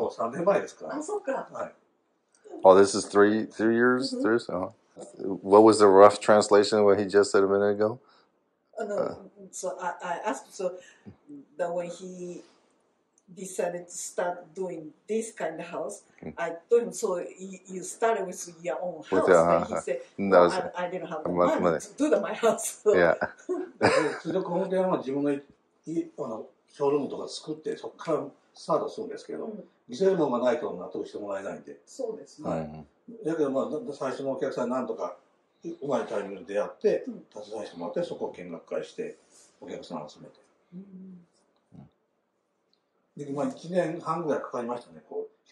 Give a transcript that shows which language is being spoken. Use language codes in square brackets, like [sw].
[ja] たまたまこの健康誘導こういうのありますよって導入のファックスが届いたんですよ。それですぐ迷わず行って、自分がちょっと体調悪かったんで、でもこれに決めました。で、最初自분の家から帰って。家、自分の口はこれがないじゃないですか。で、お客さんの徐々に。で、その後に自分の家。これ買えたのはもう3年前ですから。あ、そっか。はい。 [en] Oh, this is three years, three or so. What was the rough translation of what he just said a minute ago? So I asked, that when he decided to start doing this kind of house, I told him, so you started with your own house. With your, and he said, well, I didn't have money to do my house. So. Yeah. [ja] ショールームとか作って、そこからスタートするんですけど、見せるものがないと納得してもらえないんで。そうですね。だけど、最初のお客さんになんとかうまいタイミングで出会って、立ち台して待って、そこを見学会して、お客さん集めて。で、1年半ぐらいかかりましたね。こう、